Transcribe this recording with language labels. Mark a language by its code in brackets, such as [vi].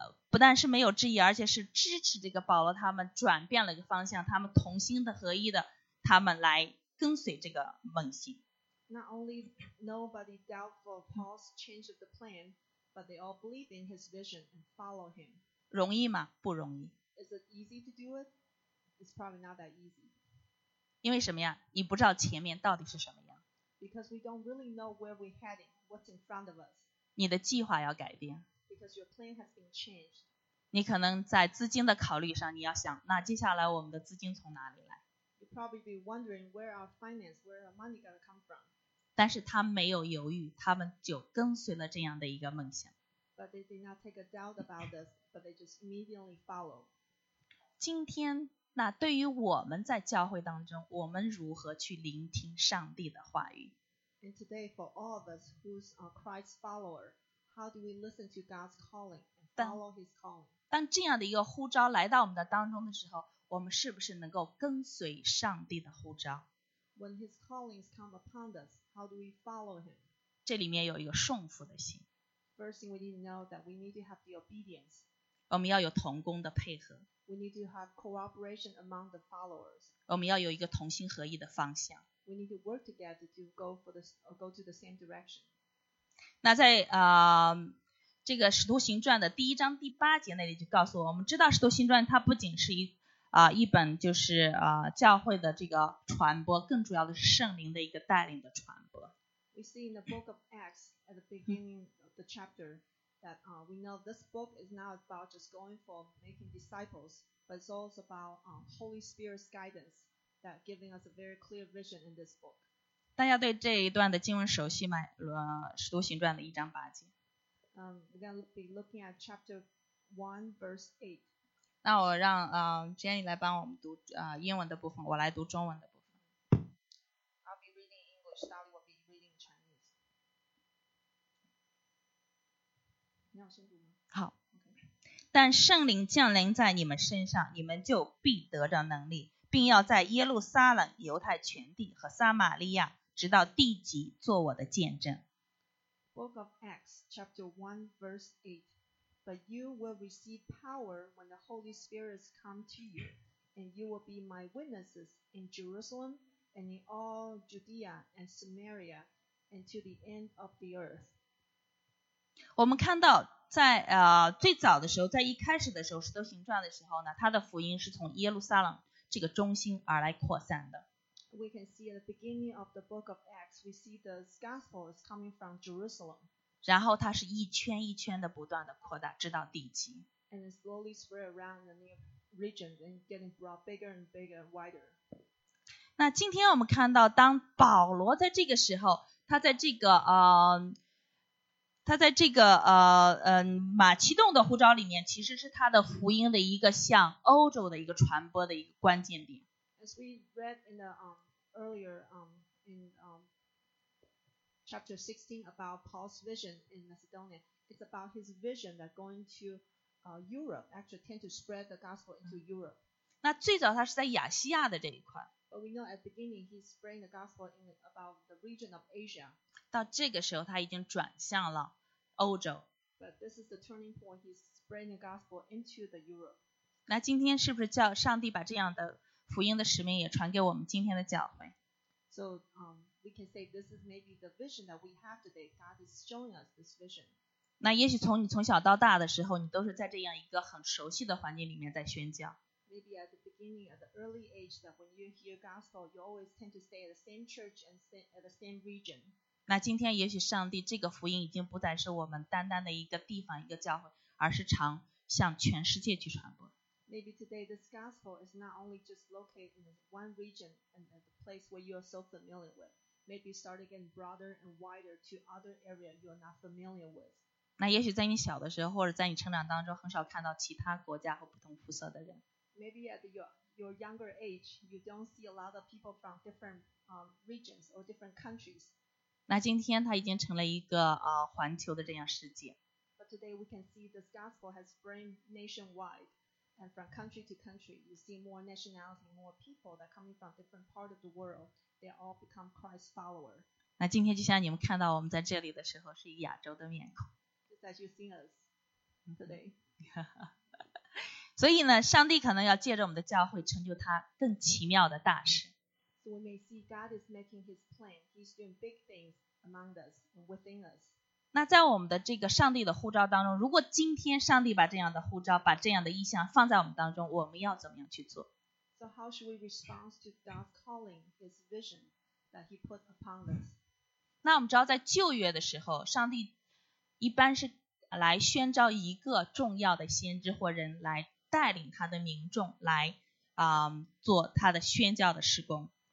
[zh] 不但是没有质疑，而且是支持这个保罗他们转变了一个方向，他们同心的合一的，他们来跟随这个梦想。 [en] Not only nobody doubt for Paul's change of the plan, but they all believe in his vision and follow him. [zh] 容易吗？不容易。 [en] Is it easy to do it? It's probably not that easy. [zh] 因为什么呀？你不知道前面到底是什么样。 [en] Because we don't really know where we're heading, what's in front of us. [zh] 你的计划要改变。 [en] Because your plan has been changed. [zh] 你可能在资金的考虑上，你要想，那接下来我们的资金从哪里来？ [en] You'll probably be wondering where our finance, where our money gonna come from. [zh] 但是他没有犹豫，他们就跟随了这样的一个梦想。 [en] But they did not take a doubt about this, but they just immediately follow. [zh] 今天，那对于我们在教会当中，我们如何去聆听上帝的话语？ [en] And today, for all of us who's a Christ follower,How do we listen to God's calling and follow His calling? [zh] 当这样的一个呼召来到我们的当中的时候，我们是不是能够跟随上帝的呼召？ [en] When His callings come upon us, how do we follow Him? [zh] 这里面有一个顺服的心。 [en] First thing we need to know that we need to have the obedience. [zh] 我们要有同工的配合。 [en] We need to have cooperation among the followers. [zh] 我们要有一个同心合一的方向。 [en] We need to work together to go to the same direction. [zh] 那在这个使徒行传的第一章第八节那里就告诉我们，我们知道使徒行传它不仅是一本就是教会的这个传播，更主要的是圣灵的一个带领的传播。 [en] We see in the book of Acts at the beginning of the chapter that we know this book is not about just going for making disciples, but it's also about Holy Spirit's guidance that giving us a very clear vision in this book. [zh] 大家对这一段的经文熟悉吗？使徒行传的一章八节。 [en] We're going to be looking at chapter 1, verse 8. [zh] 那我让Jenny 来帮我们读英文的部分，我来读中文的部分。 [en] I'll be reading English, Dolly will be reading Chinese. [zh] 你要先读吗？好。 [en] Okay. [zh] 但圣灵降临在你们身上，你们就必得着能力，并要在耶路撒冷、犹太全地和撒玛利亚直到地极做我的见证。 [en] Book of Acts, chapter 1, verse 8. But you will receive power when the Holy Spirit has come to you, and you will be my witnesses in Jerusalem and in all Judea and Samaria and to the end of the earth. [zh] 我们看到在最早的时候，在一开始的时候，使徒行传的时候呢，他的福音是从耶路撒冷这个中心而来扩散的。 [en] We can see at the beginning of the book of Acts, we see the gospel is coming from Jerusalem. [zh] 然后它是一圈一圈的不断的扩大，直到地极。 [en] And it slowly spread around the new regions and getting brought bigger and bigger and wider. [zh] 那今天我们看到，当保罗在这个时候，他在这个马其顿的呼召里面，其实是他的福音的一个向欧洲的一个传播的一个关键点。 [en] As we read in the earlier in chapter 16 about Paul's vision in Macedonia, it's about his vision that going to Europe actually tend to spread the gospel into Europe. [zh] 那最早他是在亚细亚的这一块。 [en] But we know at the beginning he's spreading the gospel in about the region of Asia. [zh] 到这个时候他已经转向了欧洲。 [en] But this is the turning point. He's spreading the gospel into the Europe. [zh] 那今天是不是叫上帝把这样的福音的使命也传给我们今天的教会。 [en] So, we can say this is maybe the vision that we have today. God is showing us this vision. [zh] 那也许从你从小到大的时候，你都是在这样一个很熟悉的环境里面在宣教。 [en] Maybe at the beginning, at the early age, that when you hear gospel, you always tend to stay at the same church and stay at the same region. [zh] 那今天也许上帝这个福音已经不再是我们单单的一个地方一个教会，而是常向全世界去传播。 [en] Maybe today this gospel is not only just located in one region and the place where you are so familiar with. Maybe start getting broader and wider to other areas you are not familiar with. [zh] 那也许在你小的时候或者在你成长当中很少看到其他国家和不同肤色的人。 [en] Maybe at your younger age, you don't see a lot of people from different regions or different countries. [zh] 那今天它已经成了一个环球的这样世界。 [en] But today we can see this gospel has spread nationwide. And from country to country, you see more nationality, more people that are coming from different parts of the world. They all become Christ's follower. [zh] 那今天就像你们看到我们在这里的时候，是以亚洲的面孔。 [en] Just as you see us today. [zh] 所以呢，上帝可能要借着我们的教会成就他更奇妙的大事。 [en] So we may see God is making His plan. He's doing big things among us and within us. [zh] 那在我们的这个上帝的呼召当中，如果今天上帝把这样的呼召，把这样的意象放在我们当中，我们要怎么样去做？ [en] So how should we respond to God's calling, His vision that He put upon us? [zh] 那我们知道在旧约的时候，上帝一般是来宣召一个重要的先知或人来带领他的民众来做他的宣教的事工。